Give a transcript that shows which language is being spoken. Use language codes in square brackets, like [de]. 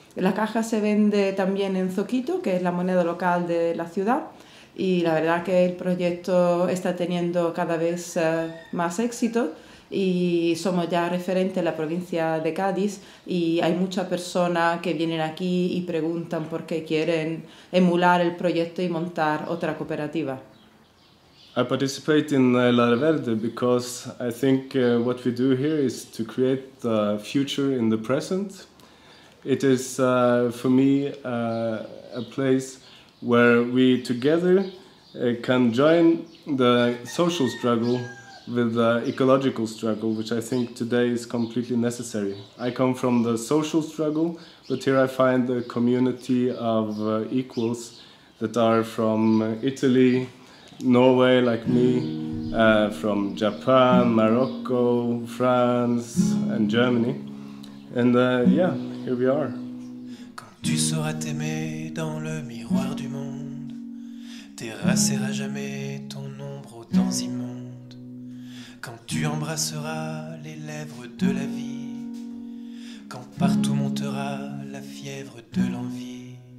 [es] La caja se vende también en Zoquito, que es la moneda local de la ciudad, y la verdad que el proyecto está teniendo cada vez más éxito y somos ya referentes en la provincia de Cádiz y hay muchas personas que vienen aquí y preguntan por qué quieren emular el proyecto y montar otra cooperativa. [en] I participate in La Reverde because I think what we do here is to create the future in the present. It is for me a place where we together can join the social struggle with the ecological struggle, which I think today is completely necessary. I come from the social struggle, but here I find a community of equals that are from Italy, Norway, like me, from Japan, Morocco, France, and Germany. And yeah, here we are. [fr] Quand tu sauras t'aimer dans le miroir du monde, t'effaceras jamais ton ombre aux temps immondes. Quand tu embrasseras les lèvres de la vie, quand partout montera la fièvre de l'envie.